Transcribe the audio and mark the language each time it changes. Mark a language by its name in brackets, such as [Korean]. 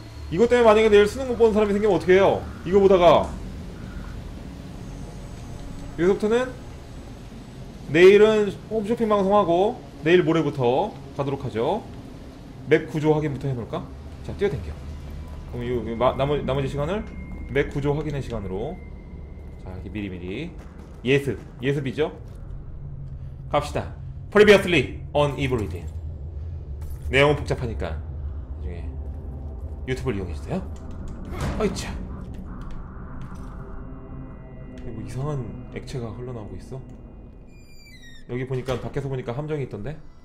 [Korean] 이것 때문에 만약에 내일 수능 못 보는 사람이 생기면 어떡해요. 이거 보다가 여기서부터는 내일은 홈쇼핑 방송하고 내일 모레부터 가도록 하죠. 맵 구조 확인부터 해볼까? 자 뛰어댕겨. 그럼 나머지 시간을 맵 구조 확인의 시간으로 자 이렇게 미리미리 예습이죠? 갑시다. [English] Previously on Evil Within. [Korean] 내용은 복잡하니까 나중에 유튜브를 이용해주세요. 아이차 뭐 이상한 액체가 흘러나오고 있어. 여기 보니까 밖에서 보니까 함정이 있던데.